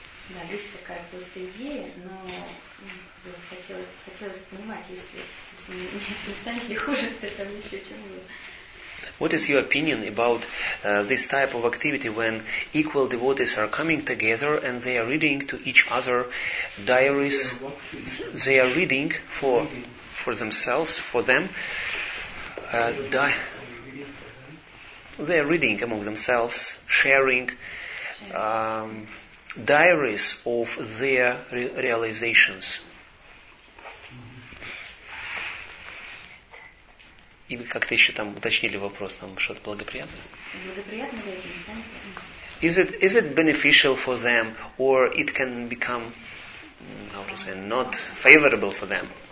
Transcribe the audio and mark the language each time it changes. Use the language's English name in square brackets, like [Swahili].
[Russian] Да, есть такая просто идея, но хотелось понимать, если не станет ли хуже, то там еще чем было. [English] What is your opinion about this type of activity when equal devotees are coming together and they are reading to each other diaries? They are reading for themselves, for them. They are reading among themselves, sharing diaries of their realizations. [Russian] И вы как-то еще там уточнили вопрос, там что-то благоприятное? Благоприятно ли это? [English] Is it beneficial for them, or it can become, how to say, not favorable for them?